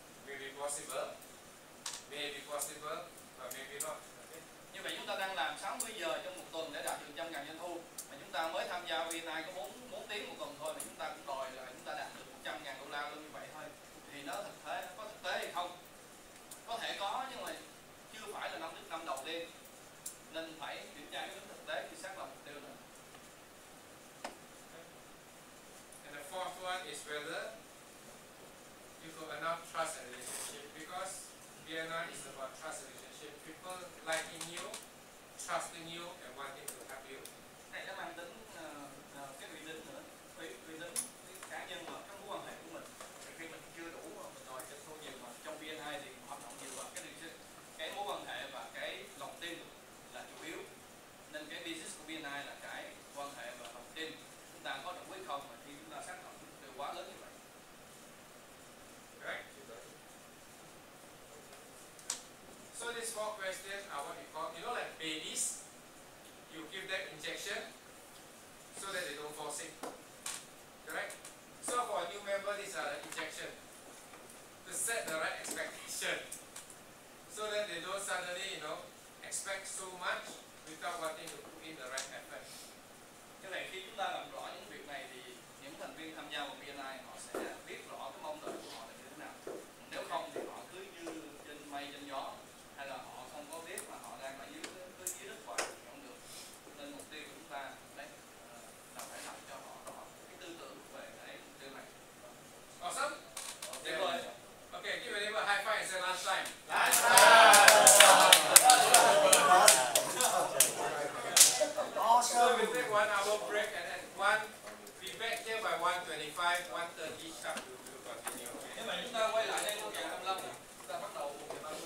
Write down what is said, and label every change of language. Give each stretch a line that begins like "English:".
English: Maybe possible, maybe possible, but maybe not. Okay.
Vietnamese: Như vậy chúng ta đang làm 60 giờ trong một tuần để đạt được 100.000 doanh thu. Mà chúng ta mới tham gia VNI có 4 tiếng một tuần thôi mà chúng ta cũng đòi là chúng ta đạt được 100.000 đô la luôn như vậy thôi. Thì nó thực tế, nó có thực tế hay không? Có thể có nhưng mà chưa phải là năm thứ năm đầu tiên. Nên phải kiểm tra cái thực tế thì xác lập mục tiêu nữa.
English: And the fourth one is whether you got enough trust and relationship, because BNI is about trust and relationship. People liking you, trusting you, and wanting to help you.
Vietnamese: Này nó mang tính cái uy tín nữa, uy tín cá nhân và các mối quan hệ của mình. Thì khi mình chưa đủ mà mình đòi cho số nhiều mà trong BNI thì hoạt động nhiều và cái mối quan hệ và cái lòng tin là chủ yếu. Nên cái business của BNI là cái quan hệ và lòng tin. Chúng ta có đồng ý không mà khi chúng ta xác nhận từ quá lớn như vậy.
English: Right. So these four questions are what we call, you know, like babies. You give them injection so that they don't fall sick. Correct? So for a new member, these are the injection to set the right expectation so that they don't suddenly, you know, expect so much without wanting to put in the right effort.
Vietnamese: Cái này khi chúng ta làm rõ những việc này thì những thành viên tham gia vào BNI họ sẽ biết rõ cái mong đợi của họ là như thế nào. Nếu không thì họ cứ như trên mây trên gió, hay là họ không có biết mà họ đang ở dưới cứ dưới đất quả thì không được. Nên mục tiêu của chúng ta đấy là phải làm cho họ có cái tư tưởng về cái mục tiêu này.
English: Awesome.
Vietnamese: Tuyệt vời.
English: Okay, give it a high five and say last time. Last time. So we take 1 hour break and at 1, we back here by 1:25, 1:30 sharp to continue. Okay.
Vietnamese: Chúng ta quay lại đây lúc 1:25 nè.